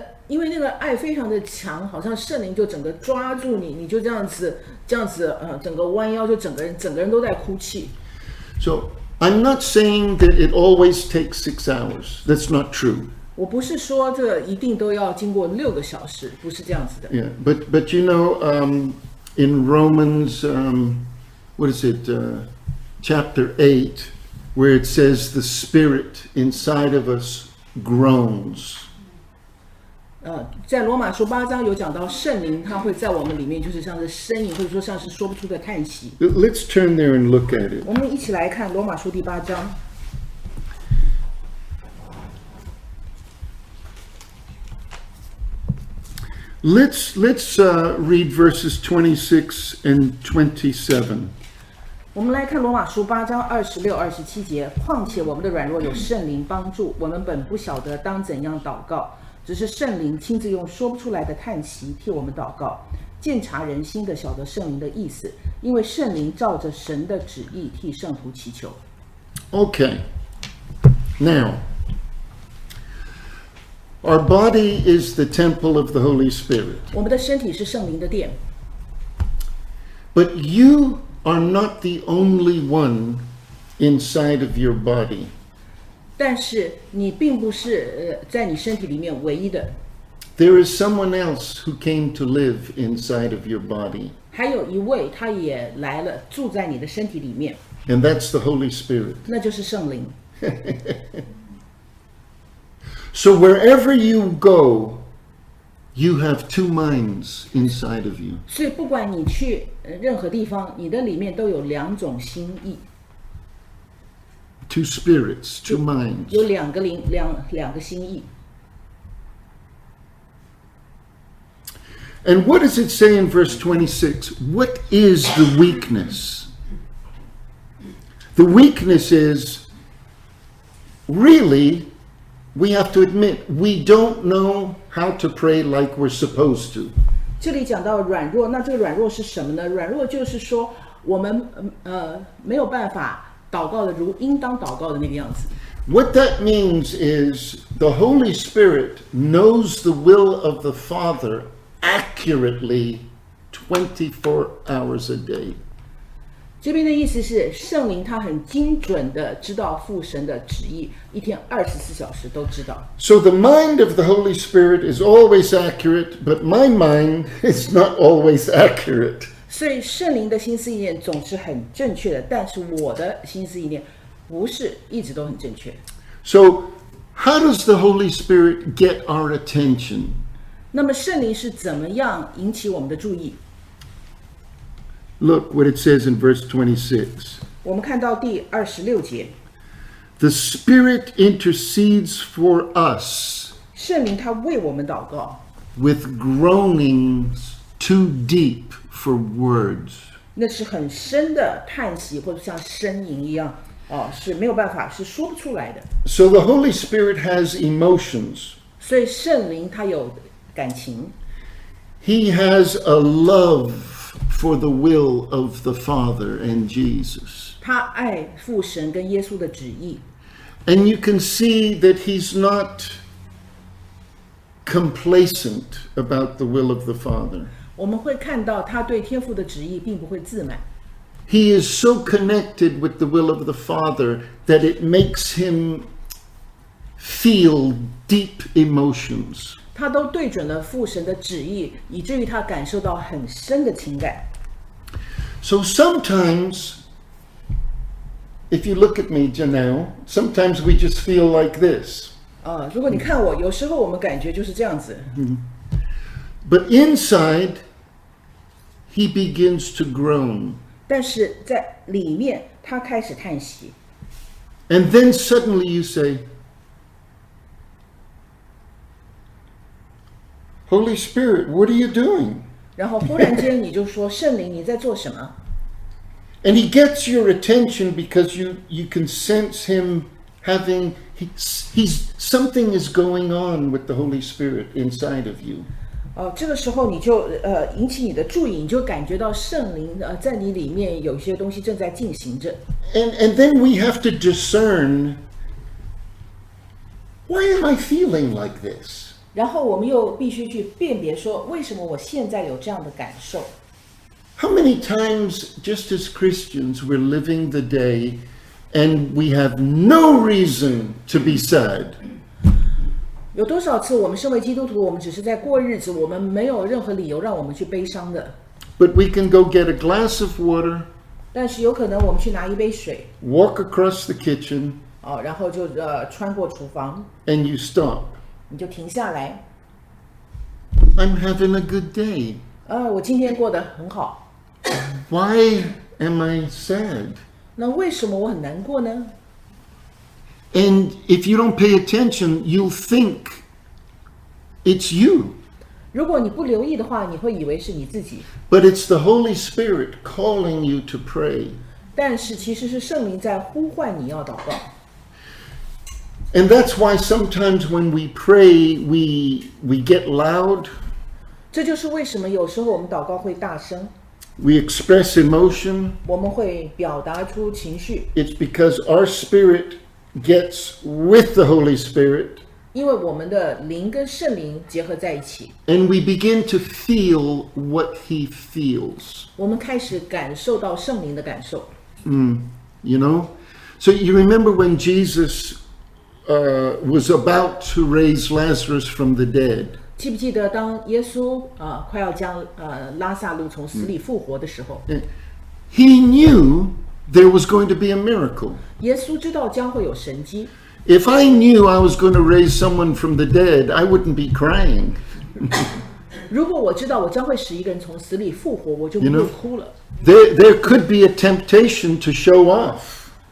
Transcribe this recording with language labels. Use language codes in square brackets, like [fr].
[zh] 因为那个爱非常的强，好像圣灵就整个抓住你，你就这样子，整个弯腰，就整个人都在哭泣。 [en] So I'm not saying that it always takes 6 hours. That's not true. [zh] 我不是说这一定都要经过六个小时，不是这样子的。 [en] Yeah, but you know, in Romans, what is it, chapter 8, where it says the Spirit inside of us groans. [zh] 在罗马书八章有讲到圣灵他会在我们里面就是像是呻吟或者说像是说不出的叹息。 [en] Let's turn there and look at it. [zh] 我们一起来看罗马书第八章。 [en] Let's read verses 26 and 27. [zh] 我们来看罗马书八章二十六、二十七节。况且我们的软弱有圣灵帮助，我们本不晓得当怎样祷告。只是圣灵亲自用说不出来的叹息替我们祷告，鉴察人心的晓得圣灵的意思，因为圣灵照着神的旨意替圣徒祈求。 [en] Okay, now our body is the temple of the Holy Spirit. [zh] 我们的身体是圣灵的殿。 [en] But you are not the only one inside of your body. [zh] 但是你并不是在你身体里面唯一的。 [en] There is someone else who came to live inside of your body. [zh] 还有一位他也来了住在你的身体里面。 [en] And that's the Holy Spirit. [zh] 那就是圣灵。 [en] So wherever you go, you have two minds inside of you. [zh] 所以不管你去任何地方，你的里面都有两种心意。 [en] Two spirits, two minds. [zh] 有两个灵，两个心意。 [en] And what does it say in verse 26? What is the weakness? The weakness is, really, we have to admit, we don't know how to pray like we're supposed to. [zh] 这里讲到软弱，那这个软弱是什么呢？软弱就是说我们没有办法祷告的如应当祷告的那个样子。 [en] What that means is the Holy Spirit knows the will of the Father accurately 24 hours a day. [zh] 这边的意思是圣灵他很精准的知道父神的旨意，一天二十四小时都知道。 [en] So the mind of the Holy Spirit is always accurate, but my mind is not always accurate. [zh] 所以圣灵的心思意念总是很正确的，但是我的心思意念不是一直都很正确。 [en] So, how does the Holy Spirit get our attention? [zh] 那么圣灵是怎么样引起我们的注意？ [en] Look what it says in verse 26. [zh] 我们看到第二十六节。 [en] The Spirit intercedes for us. [zh] 圣灵他为我们祷告。 [en] With groanings too deep. For words, [zh] 那是很深的叹息，或者像呻吟一样，哦，是没有办法，是说不出来的。 [en] So the Holy Spirit has emotions. [zh] 所以圣灵他有感情。 [en] He has a love for the will of the Father and Jesus. [zh] 他爱父神跟耶稣的旨意。 [en] And you can see that he's not complacent about the will of the Father. [zh] 我们会看到他对天父的旨意并不会自满。 [en] He is so connected with the will of the Father that it makes him feel deep emotions. [zh] 他都对准了父神的旨意，以至于他感受到很深的情感。 [en] So sometimes, if you look at me, Janelle, sometimes we just feel like this. [zh] 如果你看我，有时候我们感觉就是这样子。 [en] But inside,He begins to groan. [zh] 但是在里面他开始叹息。 [en] And then suddenly you say, Holy Spirit, what are you doing? [zh] 然后忽然间你就说圣灵你在做什么？ [en] And he gets your attention because you can sense him having, he's something is going on with the Holy Spirit inside of you. [zh] 这个时候你就引起你的注意，你就感觉到圣灵在你里面有些东西正在进行着。 [en] And then we have to discern, why am I feeling like this? [zh] 然后我们又必须去辨别说，为什么我现在有这样的感受？ [en] How many times, just as Christians, we're living the day and we have no reason to be sad? [zh] 有多少次我们身为基督徒，我们只是在过日子，我们没有任何理由让我们去悲伤的。 [en] But we can go get a glass of water. [zh] 但是有可能我们去拿一杯水。 [en] Walk across the kitchen. [zh] 然后就穿过厨房。 [en] And you stop. [zh] 你就停下来。 [en] I'm having a good day. [zh] 我今天过得很好。 [en] Why am I sad? [zh] 那为什么我很难过呢？ [en] And if you don't pay attention, you'll think it's you. [zh] 如果你不留意的话，你会以为是你自己。 [en] But it's the Holy Spirit calling you to pray. [zh] 但是其实是圣灵在呼唤你要祷告。 [en] And that's why sometimes when we pray, we get loud. [zh] 这就是为什么有时候我们祷告会大声。 [en] We express emotion. [zh] 我们会表达出情绪。 [en] It's because our spirit gets with the Holy Spirit. [zh] 因为我们的灵跟圣灵结合在一起。 [en] And we begin to feel what he feels. [zh] 我们开始感受到圣灵的感受。 [en] You know? So you remember when Jesus, was about to raise Lazarus from the dead? [zh] 记不记得当耶稣快要将拉撒路从死里复活的时候 [en] ，He knew there was going to be a miracle. [zh] 耶稣知道将会有神迹。 [en] If I knew I was going to raise someone from the dead, I wouldn't be crying. [zh] 如果我知道我将会使一个人从死里复活，我就不会哭了。 [en] There could be a temptation to show off.